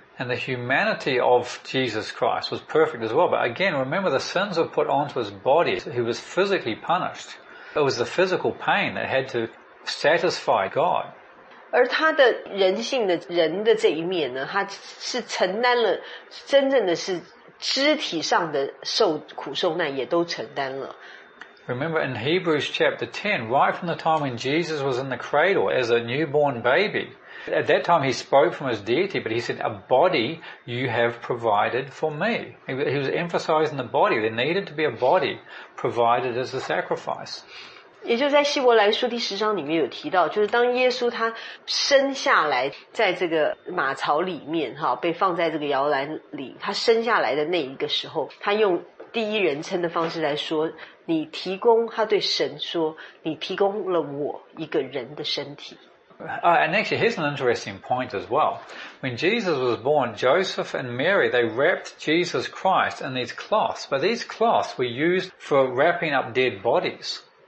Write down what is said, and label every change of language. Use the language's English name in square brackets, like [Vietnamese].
[English] And the humanity of Jesus Christ was perfect as well. But again, remember the sins were put onto his body. He was physically punished. It was the physical pain that had to satisfy God. [Chinese] 而他的人性的人的这一面呢，他是承担了真正的是肢体上的受苦受难也都承担了。 [English] Remember in Hebrews chapter 10, right from the time when Jesus was in the cradle as a newborn baby, at that time he spoke from his deity, but he said, a body you have provided for me. He was emphasizing the body. There needed to be a body provided as a sacrifice. [Chinese] 也就在希伯来书第十章里面有提到，就是当耶稣他生下来在这个马槽里面，被放在这个摇篮里，他生下来的那一个时候，他用第一人称的方式来说，你提供，他对神说，你提供了我一个人的身体。 [English] And actually, here's an interesting point as well. When Jesus was born, Joseph and Mary, they wrapped Jesus Christ in these cloths, but these cloths were used for wrapping up dead bodies.